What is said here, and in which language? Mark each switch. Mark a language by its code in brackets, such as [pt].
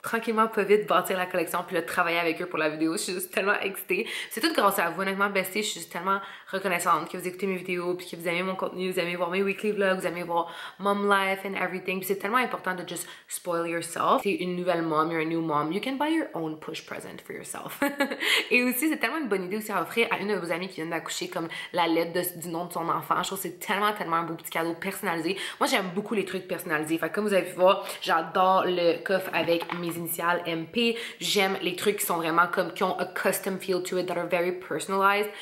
[fr] Tranquillement, pas vite, bâtir la collection puis le travailler avec eux pour la vidéo. Je suis juste tellement excitée. C'est tout grâce à vous, honnêtement, bestie. Je suis juste tellement reconnaissante que vous écoutez mes vidéos puis que vous aimez mon contenu, vous aimez voir mes weekly vlogs, vous aimez voir [en] mom life and everything. [fr] Puis c'est tellement important de [en] just spoil yourself. [fr] T'es une nouvelle mom, [en] you're a new mom. You can buy your own push present for yourself. [fr] Et aussi, c'est tellement une bonne idée aussi à offrir à une de vos amies qui vient d'accoucher comme la lettre du nom de son enfant. Je trouve que c'est tellement, tellement un beau petit cadeau personnalisé. Moi, j'aime beaucoup les trucs personnalisés. Fait que comme vous avez pu voir, j'adore le coffre avec mes initiales MP. J'aime les trucs qui sont vraiment comme, qui ont [en] a custom feel to it, that are very personalized.